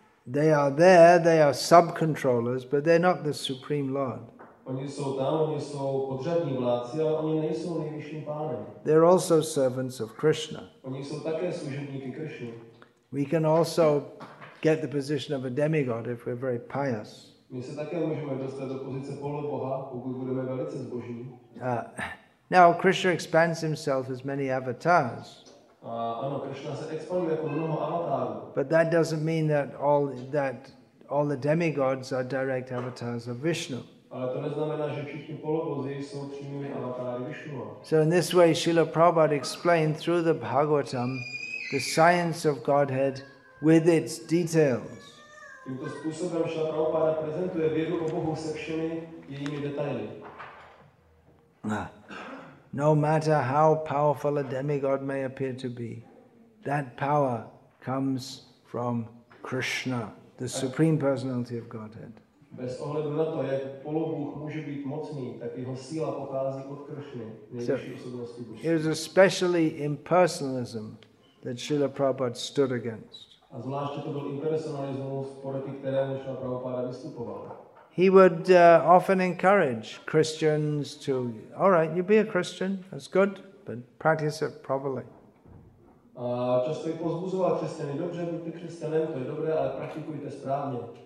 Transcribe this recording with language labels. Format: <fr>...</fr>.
<en>They are there, they are sub-controllers, but they're not the Supreme Lord.</en> <cs>Oni jsou tam, oni jsou podřadní vládci, ale oni nejsou nejvyšším pánem.</cs> <en>They're also servants of Krishna.</en> <cs>Oni jsou také služebníky Krishna.</cs> <en>We can also get the position of a demigod if we're very pious.</en> <cs>My se také můžeme dostat do pozice poloboha, pokud budeme velice zbožní.</cs> <en>Now, Krishna expands himself as many avatars.</en> <cs>Ano, Krishna se expanduje jako mnoho avatarů.</cs> <en>But that doesn't mean that all the demigods are direct avatars of Vishnu.</en> <cs>Ale to neznamená, že všichni polobozy jsou přímými avatary Vishnu.</cs> <en>So in this way, Srila Prabhupada explained through the Bhagavatam the science of Godhead with its details.</en> <cs>Tímto způsobem Srila Prabhupada prezentuje vědu o Bohu se všemi jejími detaily.</cs> <en>No matter how powerful a demigod may appear to be, that power comes from Krishna, the supreme personality of Godhead.</en> <cs>Bez ohledu na to, jak polobůh může být mocný, tak jeho síla pochází od Krishny, nejvyšší osobnosti Božství.</cs> <en>It was especially impersonalism that Srila Prabhupada stood against.</en> <cs>A zvláště to byl impersonalismus, proti kterému Srila Prabhupada vystupoval.</cs> <en>He would often encourage Christians to, all right, you be a Christian, that's good, but practice it properly.</en> <cs>Často jich pozbuzoval křesťany, dobře, buďte křesťanem, to je dobré, ale praktikujte správně.</cs>